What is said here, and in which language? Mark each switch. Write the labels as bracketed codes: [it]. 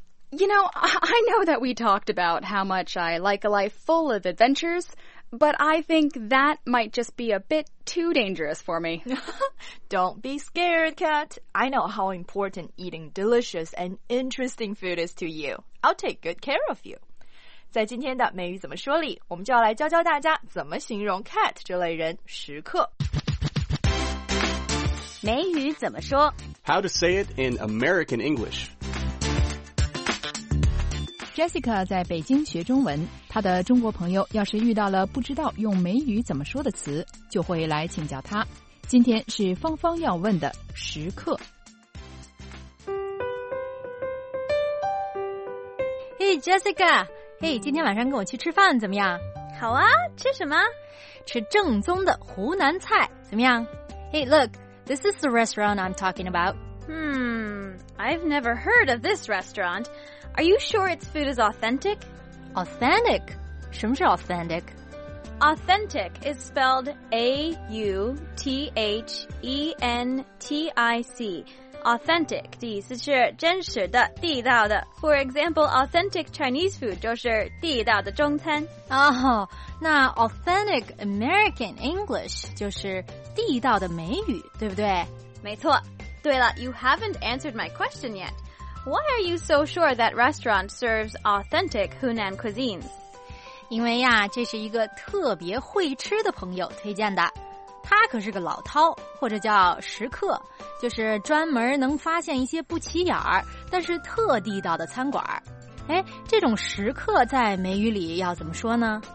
[en] You know, I know that we talked about how much I like a life full of adventures, but I think that might just be a bit too dangerous for me. Don't be scared, Kat. I know how important eating delicious and interesting food is to you. I'll take good care of you. [zh] 在今天的美语怎么说里，我们就要来教教大家怎么形容 Kat 这类人时刻。美语怎么说？ [en] How to say it in American English. [zh] Jessica 在北京学中文，她的中国朋友要是遇到了不知道用美语怎么说的词，就会来请教她。今天是芳芳要问的时刻。 Hey Jessica, hey, 今天晚上跟我去吃饭怎么样？好啊，吃什么？吃正宗的湖南菜，怎么样？ [en] Hey, look, this is the restaurant I'm talking about. I've never heard of this restaurant. Are you sure its food is authentic? [zh] Authentic? 什么是 authentic? [en] Authentic is spelled A-U-T-H-E-N-T-I-C. [zh] Authentic, 意思是真实的、地道的。 [en] For example, authentic Chinese food [zh] 就是地道的中餐。 Oh, 那 authentic American English 就是地道的美语，对不对？没错。对了 [en] you haven't answered my question yet. Why are you so sure that restaurant serves authentic Hunan cuisines? [zh] 因为呀，这是一个特别会吃的朋友推荐的。他可是个老饕，或者叫食客，就是专门能发现一些不起眼儿，但是特地道的餐馆。哎，这种食客在美语里要怎么说呢？